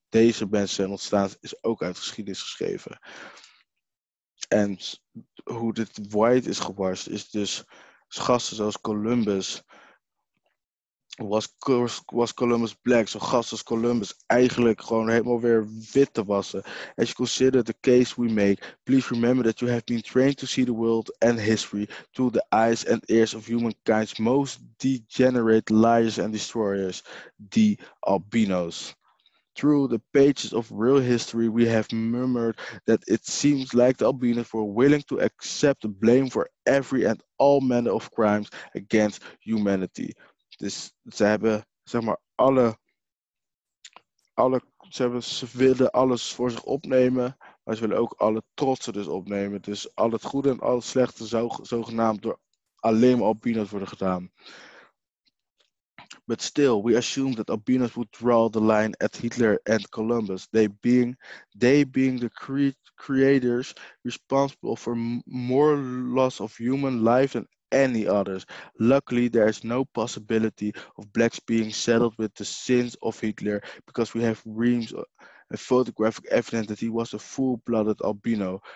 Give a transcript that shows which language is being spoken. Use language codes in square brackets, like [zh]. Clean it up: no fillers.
[nl] deze bands zijn ontstaan, is ook uit geschiedenis geschreven. En hoe dit white is gebarst, is dus gasten zoals Columbus. [en] Was Columbus black? [nl] Zo'n gast als Columbus eigenlijk gewoon helemaal weer wit te wassen. [en] As you consider the case we make, please remember that you have been trained to see the world and history through the eyes and ears of humankind's most degenerate liars and destroyers, the albinos. Through the pages of real history, we have murmured that it seems like the albinos were willing to accept the blame for every and all manner of crimes against humanity. [nl] Dus ze hebben, zeg maar, ze willen alles voor zich opnemen, maar ze willen ook alle trotsen dus opnemen. Dus al het goede en al het slechte zou zogenaamd door alleen maar albinos worden gedaan. [en] But still, we assume that albinos would draw the line at Hitler and Columbus. They being the creators responsible for more loss of human life than any others. Luckily, there is no possibility of blacks being settled with the sins of Hitler, because we have reams of photographic evidence that he was a full-blooded albino.